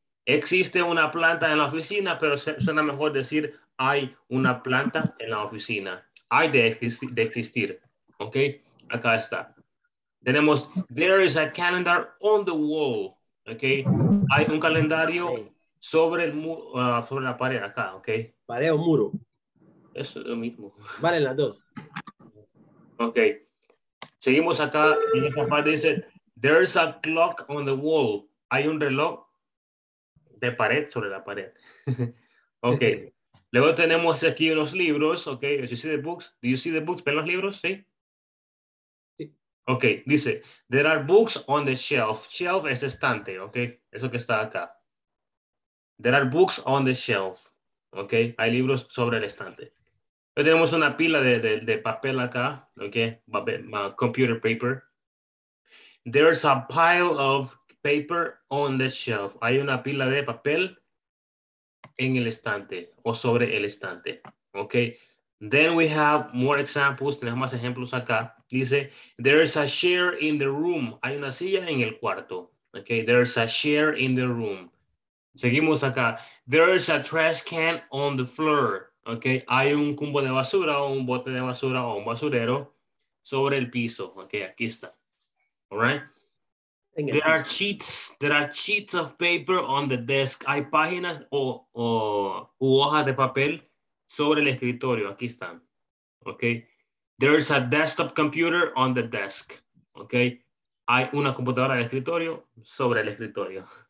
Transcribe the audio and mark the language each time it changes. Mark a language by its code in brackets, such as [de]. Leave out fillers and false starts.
[es] Existe una planta en la oficina, pero suena mejor decir hay una planta en la oficina. Hay de existir, okay? Acá está. [en] Tenemos, there is a calendar on the wall, okay? [es] Hay un calendario sobre el sobre la pared acá, okay? ¿Pared o muro? Eso es lo mismo. Vale, las dos. Ok. Seguimos acá. En esta parte dice, [en] there's a clock on the wall. [es] Hay un reloj de pared sobre la pared. Ok. Luego tenemos aquí unos libros. Ok. [en] You see the books? [es] Do you see the books? ¿Ven los libros? Sí. Ok. Dice, [en] there are books on the shelf. [es] Shelf es estante. Ok. Eso que está acá. [en] There are books on the shelf. Ok, [es] hay libros sobre el estante. Pero tenemos una pila de papel acá, ok, [en] computer paper. There's a pile of paper on the shelf. [es] Hay una pila de papel en el estante o sobre el estante. [en] Okay. Then we have more examples. [es] Tenemos más ejemplos acá. Dice, [en] there is a chair in the room. [es] Hay una silla en el cuarto. [en] Okay, there is a chair in the room. [es] Seguimos acá. [en] There is a trash can on the floor. [es] Okay, hay un cubo de basura o un bote de basura o un basurero sobre el piso. [en] Okay, [es] aquí está. [en] All right. There are sheets. There are sheets of paper on the desk. [es] Hay páginas o hojas de papel sobre el escritorio. Aquí están. Okay. [en] There is a desktop computer on the desk. Okay. [es] Hay una computadora de escritorio sobre el escritorio.